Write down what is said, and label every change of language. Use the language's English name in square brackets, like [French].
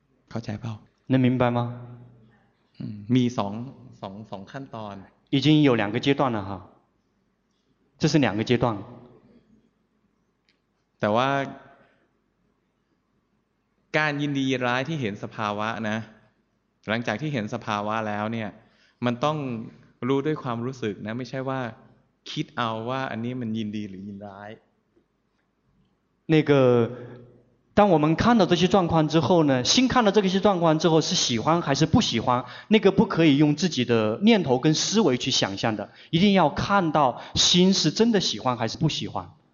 [Thai] เข้าใจป่าว [Chinese] 能明白吗 [Thai] มี2ขั้นตอน [Chinese] 已经有两个阶段了哈这是两个阶段 [Thai] แต่ว่าการยินดียินร้ายที่เห็นสภาวะนะหลังจากที่เห็นสภาวะแล้วเนี่ยมันต้องรู้ด้วยความรู้สึกนะไม่ใช่ว่าคิดเอาว่าอันนี้มันยินดีหรือยินร้าย [Chinese] 那个当我们看到这些状况之后呢心看到这些状况之后是喜欢还是不喜欢那个不可以用自己的念头跟思维去想象的一定要看到心是真的喜欢还是不喜欢